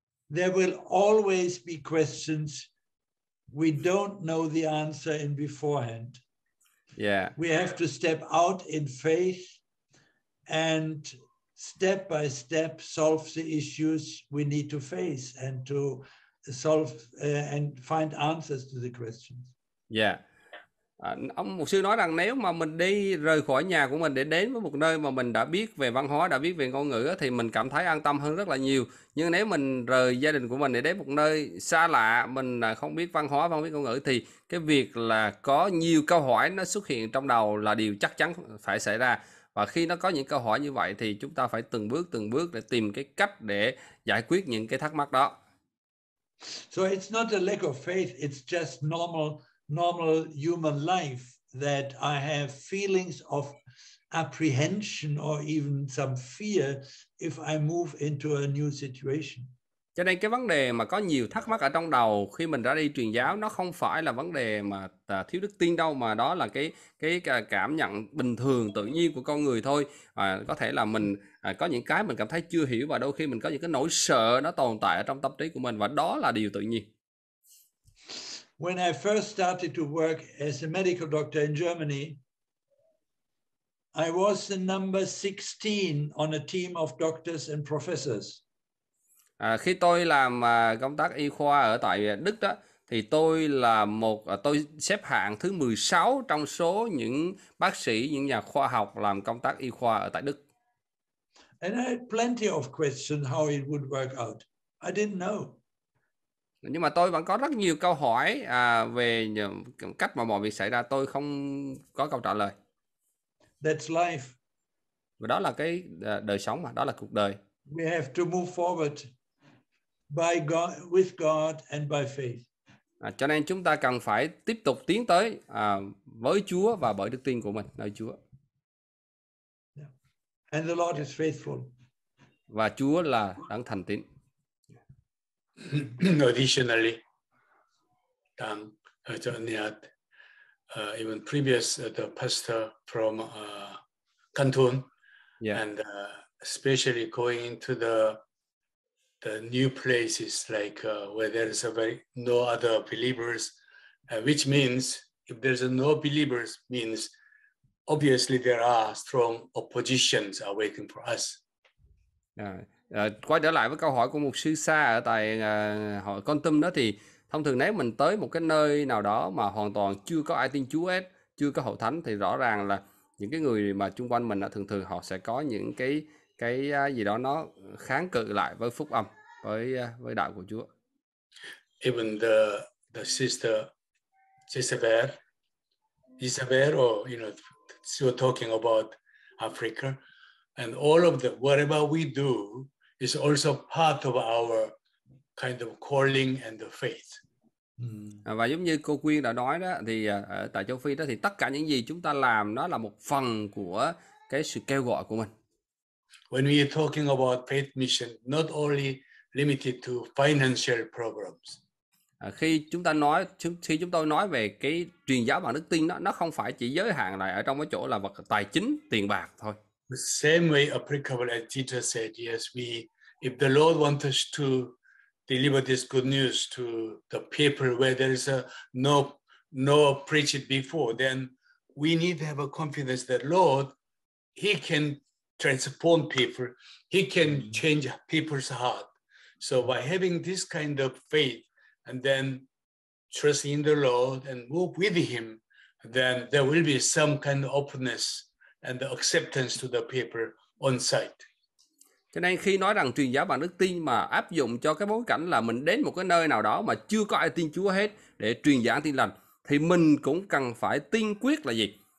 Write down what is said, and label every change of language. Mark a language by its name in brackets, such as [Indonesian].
[English] there will always be questions we don't know the answer in beforehand. Yeah. We have to step out in faith and step by step solve the issues we need to face and to solve and find answers to the questions. Yeah. [Vietnamese] Ông mục sư nói rằng nếu mà mình đi rời khỏi nhà của mình để đến với một nơi mà mình đã biết về văn hóa, đã biết về ngôn ngữ thì mình cảm thấy an tâm hơn rất là nhiều. Nhưng nếu mình rời gia đình của mình để đến một nơi xa lạ, mình không biết văn hóa, không biết ngôn ngữ, thì cái việc là có nhiều câu hỏi nó xuất hiện trong đầu là điều chắc chắn phải xảy ra. Và khi nó có những câu hỏi như vậy thì chúng ta phải từng bước để tìm cái cách để giải quyết những cái thắc mắc đó. [English] So it's not a lack of faith, it's just normal human life that I have feelings of apprehension or even some fear if I move into a new situation. [Vietnamese] Cho nên cái vấn đề mà có nhiều thắc mắc ở trong đầu khi mình ra đi truyền giáo nó không phải là vấn đề mà thiếu đức tin đâu, mà đó là cái cảm nhận bình thường tự nhiên của con người thôi. Có thể là mình có những cái mình cảm thấy chưa hiểu, và đôi khi mình có những cái nỗi sợ nó tồn tại ở trong tâm trí của mình, và đó là điều tự nhiên. [English] When I first started to work as a medical doctor in Germany, I was the number 16 on a team of doctors and professors. [Vietnamese] Khi tôi làm công tác y khoa ở tại Đức đó, thì tôi là một tôi xếp hạng thứ 16 trong số những bác sĩ, những nhà khoa học làm công tác y khoa ở tại Đức. [English] And I had plenty of questions how it would work out. I didn't know. [Vietnamese] Nhưng mà tôi vẫn có rất nhiều câu hỏi về cách mà mọi việc xảy ra, tôi không có câu trả lời. [English] That's life. [Vietnamese] Và đó là cái đời sống mà, đó là cuộc đời. [English] We have to move forward by God, with God and by faith. [Vietnamese] Cho nên chúng ta cần phải tiếp tục tiến tới với Chúa và bởi đức tin của mình nơi Chúa. [English] Yeah. And the Lord is faithful. [Vietnamese] Và Chúa là đấng thành tín. [English] Additionally, Tang Niat, even previous the pastor from Canton, yeah, and especially going into the new places like where there is no other believers, which means if there's no believers means obviously there are strong oppositions are waiting for us. [Vietnamese] Quay trở lại với câu hỏi của một sư Sa ở tại hội Con Tum đó, thì thông thường nếu mình tới một cái nơi nào đó mà hoàn toàn chưa có ai tin Chúa hết, chưa có hội thánh, thì rõ ràng là những cái người mà chung quanh mình thường thường họ sẽ có những cái gì đó nó kháng cự lại với phúc âm, với đạo của Chúa. [English] Even the sister Isabel, or you know, she was talking about Africa, and all of the whatever we do is also part of our kind of calling and the faith. [Vietnamese] Và giống như cô Quyên đã nói đó, thì ở tại châu Phi đó, thì tất cả những gì chúng ta làm nó là một phần của cái sự kêu gọi của mình. [English] When we are talking about faith mission, not only limited to financial programs. [Vietnamese] Khi chúng ta nói, khi chúng tôi nói về cái truyền giáo bằng đức tin đó, nó không phải chỉ giới hạn lại ở trong cái chỗ là vật tài chính, tiền bạc thôi. [English] The same way applicable as Jesus said, yes, we, if the Lord wants us to deliver this good news to the people where there is no preached before, then we need to have a confidence that Lord, He can transform people, He can change people's heart. So by having this kind of faith and then trusting in the Lord and move with Him, then there will be some kind of openness and the acceptance to the people on site. [Vietnamese] Cho nên khi nói rằng truyền giáo bằng đức tin mà áp dụng cho cái bối cảnh là mình đến một cái nơi nào đó mà chưa có ai tin Chúa hết để truyền giảng tin lành, thì mình cũng cần phải tin quyết là gì?